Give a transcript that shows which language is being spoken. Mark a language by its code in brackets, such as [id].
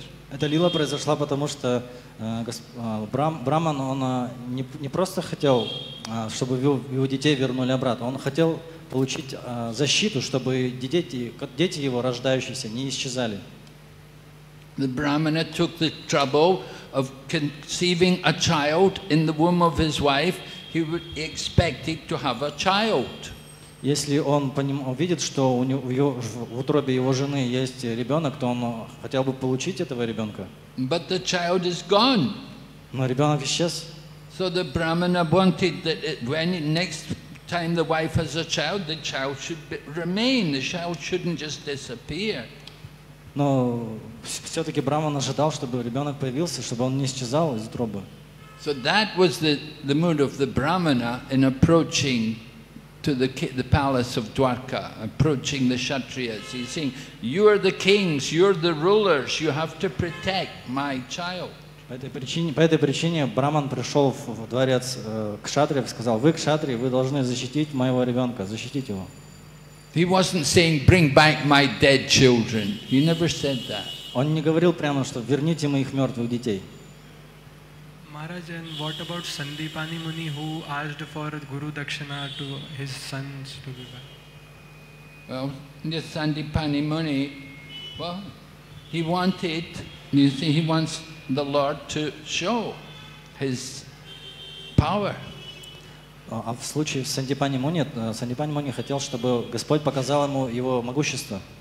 [ru] Эта лила произошла потому, что Браман, он не просто хотел, чтобы его детей вернули обратно, он хотел получить защиту, чтобы дети его рождающиеся не исчезали. [en] The Brahmana took the trouble of conceiving a child in the womb of his wife, he expected to have a child. [ru] Если он видит, что у него в утробе его жены есть ребенок, то он хотел бы получить этого ребенка. [en] But the child is gone. [ru] Но ребенок исчез. [en] So the Brahmana wanted that when next time the wife has a child, the child should remain. The child shouldn't just disappear. [ru] Но все-таки Брахман ожидал, чтобы ребенок появился, чтобы он не исчезал из утробы. [en] So that was the mood of the Brahmana in approaching to the palace of Dwarka, approaching the Kshatriyas. He's saying, you are the kings, you are the rulers, you have to protect my child. [ru] По этой причине Брахман пришел в дворец Кшатриев и сказал, вы Кшатрии, вы должны защитить моего ребенка, защитить его. [en] He wasn't saying, bring back my dead children. He never said that. [ru] Он не говорил прямо, что верните моих мертвых детей. [en] Maharaj, and what about Sandipani Muni who asked for Guru Dakshina to his sons to be back? Well, this Sandipani Muni, well, he wanted, you see, he wants the Lord to show his power. [ru] А в случае с Сандипани Муни, Сандипани Муни хотел, чтобы Господь показал ему его могущество.